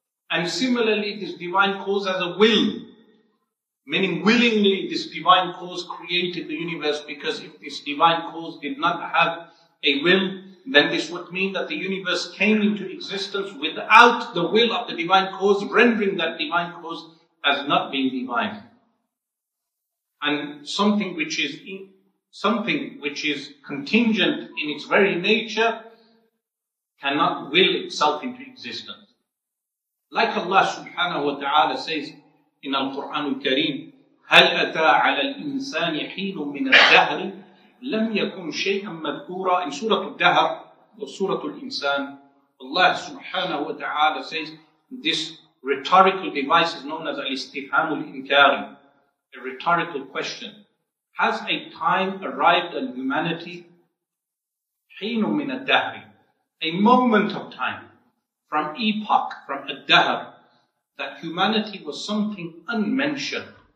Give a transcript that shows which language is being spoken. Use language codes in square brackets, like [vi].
[en] And similarly, this divine cause has a will, meaning willingly this divine cause created the universe, because if this divine cause did not have a will, then this would mean that the universe came into existence without the will of the divine cause, rendering that divine cause as not being divine. And something which is contingent in its very nature cannot will itself into existence. Like Allah subhanahu wa ta'ala says in Al-Qur'an al-Kareem, [ar] هَلْ أَتَى عَلَى الْإِنسَانِ حِينٌ مِّنَ الدَّهْرِ لَمْ يَكُنْ شَيْئًا مَذْكُورًا. [en] In Surah Al-Dahr or Surah Al-Insan, Allah subhanahu wa ta'ala says, this rhetorical device is known as al-istifham al-inkari, a rhetorical question. Has a time arrived on humanity, [ar] حين من الدهر, [en] a moment of time, from epoch, from الدهر, that humanity was something unmentioned?